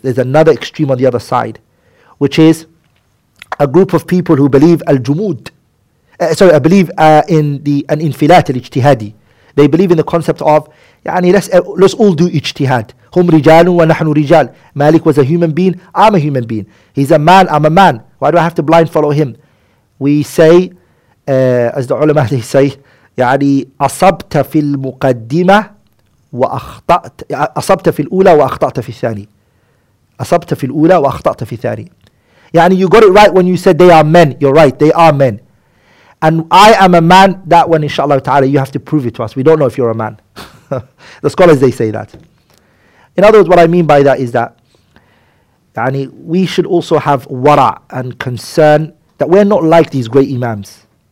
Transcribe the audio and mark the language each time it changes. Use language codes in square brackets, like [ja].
[en] There's another extreme on the other side, which is a group of people who believe al-jumud. I believe in an infilat al-ijtihadi. They believe in the concept of, yani, let's all do ijtihad. [ar] هم رجال ونحن رجال. [en] Malik was a human being, I'm a human being. He's a man, I'm a man. Why do I have to blind follow him? We say, as the ulama they say, [ar] يعني أصبت في المقدمة وأخطأت أصبت في الأولى وأخطأت في الثاني أصبت في الأولى وأخطأت في الثاني. [en] يعني you got it right when you said they are men. You're right, they are men. And I am a man. That one, inshallah ta'ala, you have to prove it to us. We don't know if you're a man. The scholars, they say that. In other words, what I mean by that is that, yani, we should also have wara and concern that we're not like these great imams.